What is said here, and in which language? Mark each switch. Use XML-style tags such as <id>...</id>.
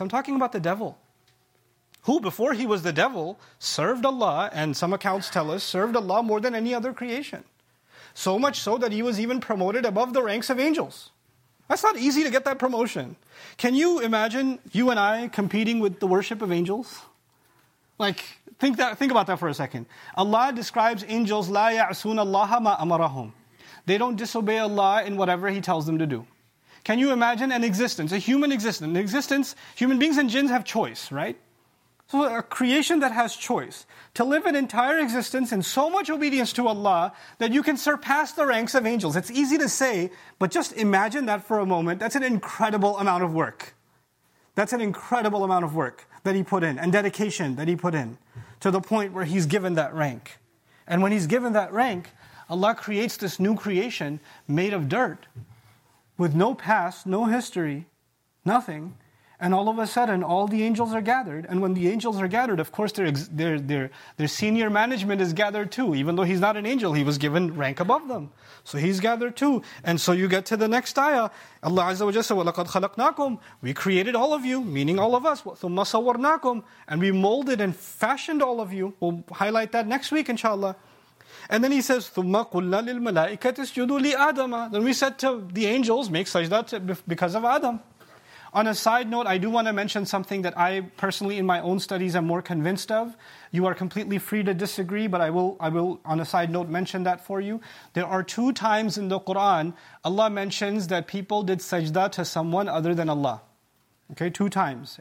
<en>I'm talking about the devil, who before he was the devil, served Allah, and some accounts tell us, served Allah more than any other creation. So much so that he was even promoted above the ranks of angels. That's not easy to get that promotion. Can you imagine you and I competing with the worship of angels? Like, think about that for a second. Allah describes angels,</en> <ar>لا يعصون الله ما أمرهم.</ar> <en>They don't disobey Allah in whatever he tells them to do. Can you imagine an existence, a human existence? An existence, human beings and jinns have choice, right? So a creation that has choice to live an entire existence in so much obedience to Allah that you can surpass the ranks of angels. It's easy to say, but just imagine that for a moment. That's an incredible amount of work. That's an incredible amount of work that he put in and dedication that he put in to the point where he's given that rank. And when he's given that rank, Allah creates this new creation made of dirt with no past, no history, nothing. And all of a sudden, all the angels are gathered. And when the angels are gathered, of course, their senior management is gathered too. Even though he's not an angel, he was given rank above them. So he's gathered too. And so you get to the next ayah. Allah Azza wa Jalla said,</en> <ar>وَلَقَدْ خَلَقْنَاكُمْ.</ar> <en>We created all of you, meaning all of us.</en> <ar>ثُمَّ صَوَّرْنَاكُمْ.</ar> <en>And we molded and fashioned all of you. We'll highlight that next week, inshallah. And then he says,</en> <ar>ثُمَّ قُلْنَا لِلْمَلَائِكَةِ اسْجُدُوا لِآدَمَ.</ar> <en>Then we said to the angels, make sajda because of Adam. On a side note, I do want to mention something that I personally, in my own studies, am more convinced of. You are completely free to disagree, but I will, on a side note, mention that for you. There are two times in the Quran, Allah mentions that people did sajda to someone other than Allah. Okay, two times.</en>